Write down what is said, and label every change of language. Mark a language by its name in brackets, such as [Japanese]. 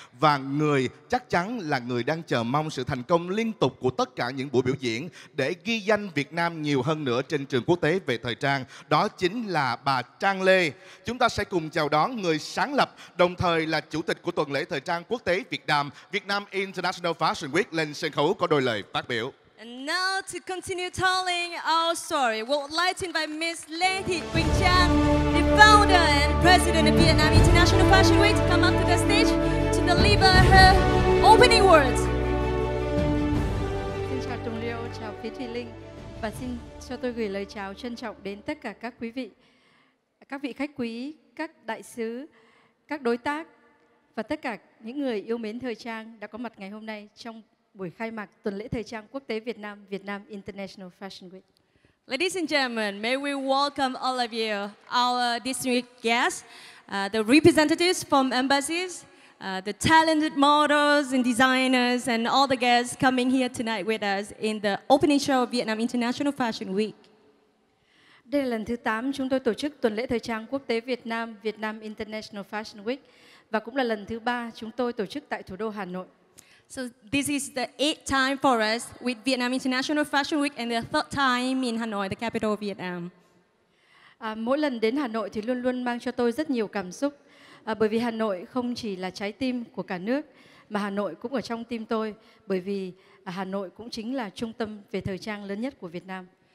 [Vietnamese] Và người chắc chắn là người đang chờ mong sự thành công liên tục của tất cả những buổi biểu diễn để ghi danh Việt Nam nhiều hơn nữa trên trường quốc tế về thời trang, đó chính là bà Trang Lê. Chúng ta sẽ cùng chào đón người sáng lập, đồng thời là chủ tịch của tuần lễ thời trang quốc tế Việt Nam, Vietnam International Fashion Week, lên sân khấu có đôi lời phát biểu. [English] And now to continue telling our story, we would like to invite Ms. Lê Thị Quỳnh Trang, the founder and president of Vietnam International Fashion Week, to come up to the stage to deliver her opening words. [Vietnamese] Xin chào Tùng Liêu, chào Phí Thùy Linh và xin cho tôi gửi lời chào trân trọng đến tất cả các quý vị, các vị khách quý, các đại sứ, các đối tác và tất cả những người yêu mến thời trang đã có mặt ngày hôm nay trong buổi khai mạc tuần lễ thời trang quốc tế Việt Nam, Vietnam International Fashion Week. [English] Ladies and gentlemen, may we welcome all of you, our distinguished guests, the representatives from embassies, the talented models and designers, and all the guests coming here tonight with us in the opening show of Vietnam International Fashion Week. [Vietnamese] Đây là lần thứ 8 chúng tôi tổ chức tuần lễ thời trang quốc tế Việt Nam, Vietnam International Fashion Week, và cũng là lần thứ 3 chúng tôi tổ chức tại thủ đô Hà Nội. [English] So this is the 8th time for us with Vietnam International Fashion Week and the 3rd time in Hanoi, the capital of Vietnam. [Vietnamese] Mỗi lần đến Hà Nội thì luôn luôn mang cho tôi rất nhiều cảm xúc. Bởi vì Hà Nội không chỉ là trái tim của cả nước, mà Hà Nội cũng ở trong tim tôi. Bởi vì Hà Nội cũng chính là trung tâm về thời trang lớn nhất của Việt Nam.